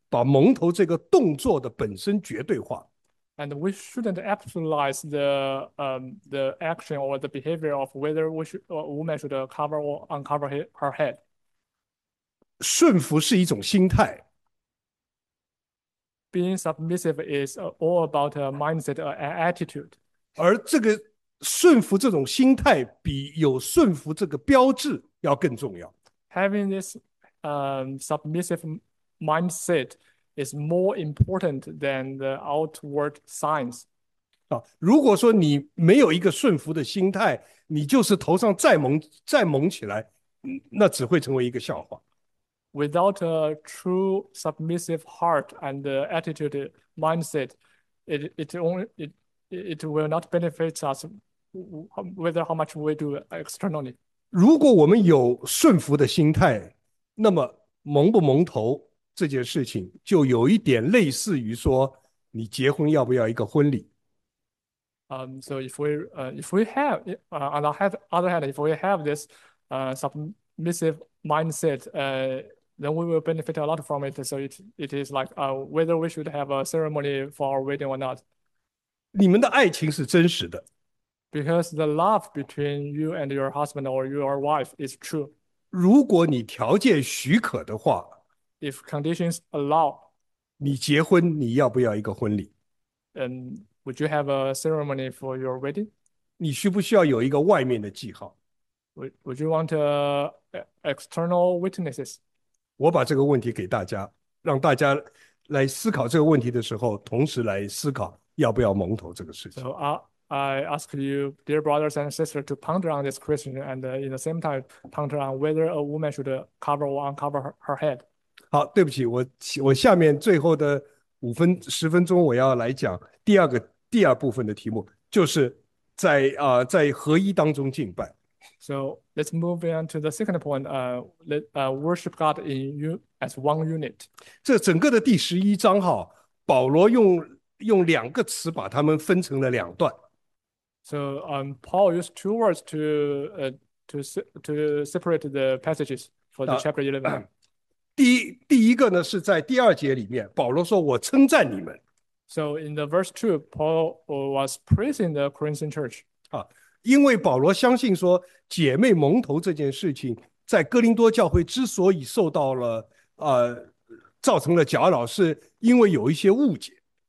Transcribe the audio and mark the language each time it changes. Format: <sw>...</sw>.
<zh>把蒙头这个动作的本身绝对化。</zh> <en>And we shouldn't absolutize the action or the behavior of whether we should a woman should cover or uncover her head.</en> <zh>顺服是一种心态。</zh> <en>Being submissive is all about a mindset, an attitude.</en> <zh>而这个顺服这种心态，比有顺服这个标志要更重要。</zh> <en>Having this submissive mindset is more important than the outward signs.</en> <zh>如果说你没有一个顺服的心态，你就是头上再蒙起来，那只会成为一个笑话。</zh> <en>Without a true submissive heart and attitude mindset, it will not benefit us whether how much we do externally.</en> <zh>如果我们有顺服的心态，那么蒙不蒙头这件事情就有一点类似于说，你结婚要不要一个婚礼。</zh> <en>So if we have on the other hand, if we have this submissive mindset, then we will benefit a lot from it. So it is like whether we should have a ceremony for our wedding or not.</en> <zh>你们的爱情是真实的。</zh> <en>Because the love between you and your husband or your wife is true.</en> <zh>如果你条件许可的话，</zh> <en>If conditions allow,</en> <zh>你结婚，你要不要一个婚礼？</zh> <en>would you have a ceremony for your wedding?</en> <zh>你需不需要有一个外面的记号？</zh> <en>Would you want external witnesses?</en> <zh>我把这个问题给大家，让大家来思考这个问题的时候，同时来思考。要不要蒙头这个事情？</zh> <en>So I ask you, dear brothers and sisters, to ponder on this question and in the same time, ponder on whether a woman should cover or uncover her head.</en> <zh>好，对不起，我下面最后的5分10分钟，我要来讲第二部分的题目，就是在合一当中敬拜。</zh> <en>So let's move on to the second point, worship God in you as one unit.</en> <zh>这整个的第11章哈，保罗用2个词把它们分成了2段。</zh> <en>So Paul used two words to separate the passages for the chapter 11.</en> <zh>第一个呢是在第2节里面，保罗说：“我称赞你们。</zh> <en>So in the verse 2, Paul was praising the Corinthian church.</en> <zh>因为保罗相信说姐妹蒙头这件事情，在哥林多教会之所以受到了造成了搅扰，是因为有一些误解。”</zh>